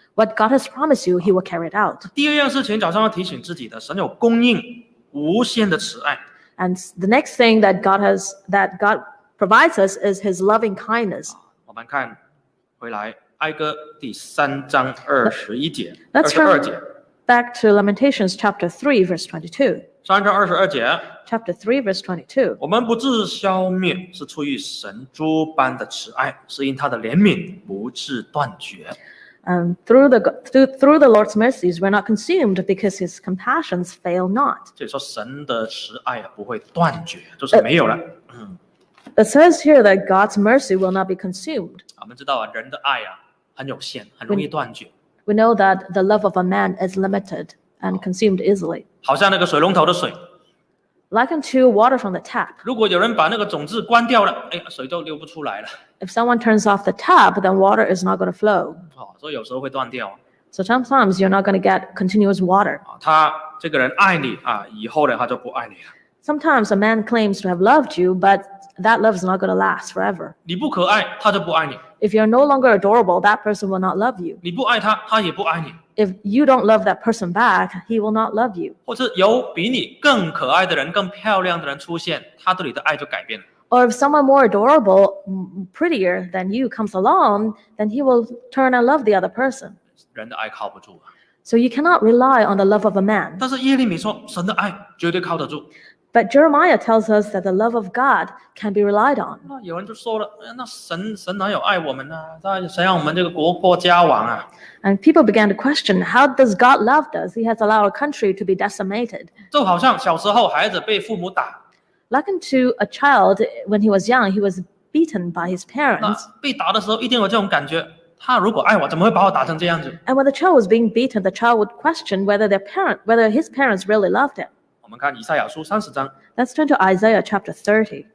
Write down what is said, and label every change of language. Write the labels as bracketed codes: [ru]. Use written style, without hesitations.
[en] What God has promised you, He will carry it out. [zh] 第二件事情，早上要提醒自己的，神有供应无限的慈爱。 [en] And the next thing that God has, that God provides us, is His loving kindness. [zh] 我们看回来，哀歌第三章二十一节，二十二节。 [en] Back to Lamentations chapter 3, verse 22. [zh] 三章二十二节。 [en] Chapter 3, verse 22. [zh] 我们不至消灭，是出于神诸般的慈爱，是因他的怜悯不至断绝。 [en] And through the Lord's mercies, we're not consumed because His compassions fail not. [zh] 就说神的慈爱不会断绝，就是没有了。 [en] It says here that God's mercy will not be consumed. [zh] 我们知道啊，人的爱啊很有限，很容易断绝。 [en] We know that the love of a man is limited and consumed easily. [zh] 好像那个水龙头的水。 [en] Likened to water from the tap. [zh] 如果有人把那个种子关掉了，哎，水就流不出来了。 [en] If someone turns off the tap, then water is not going to flow. [zh] 所以有时候会断掉。 [en] So sometimes you're not going to get continuous water. [zh] 他这个人爱你啊，以后呢他就不爱你了。 [en] Sometimes a man claims to have loved you, but that love is not going to last forever. [zh] 你不可爱，他就不爱你。 [en] If you're no longer adorable, that person will not love you. [zh] 你不爱他，他也不爱你。 [en] If you don't love that person back, he will not love you. [zh] 或是有比你更可爱的人、更漂亮的人出现，他对你的爱就改变了。 [en] Or if someone more adorable, prettier than you comes along, then he will turn and love the other person. [zh] 人的爱靠不住啊。 [en] So you cannot rely on the love of a man. [zh] 但是耶利米说，神的爱绝对靠得住。 [en] But Jeremiah tells us that the love of God can be relied on. [zh] 那有人就说了，那神哪有爱我们呢？他想让我们这个国破家亡啊。 [en] And people began to question, how does God love us? He has allowed our country to be decimated. [zh] 就好像小时候孩子被父母打。 [en] Likened to a child when he was young, he was beaten by his parents. [zh] 那被打的时候一定有这种感觉，他如果爱我，怎么会把我打成这样子？ [en] And when the child was being beaten, the child would question whether their parent, whether his parents really loved him. [zh] 我们看以赛亚书30章。 [en] Let's turn to Isaiah chapter 30.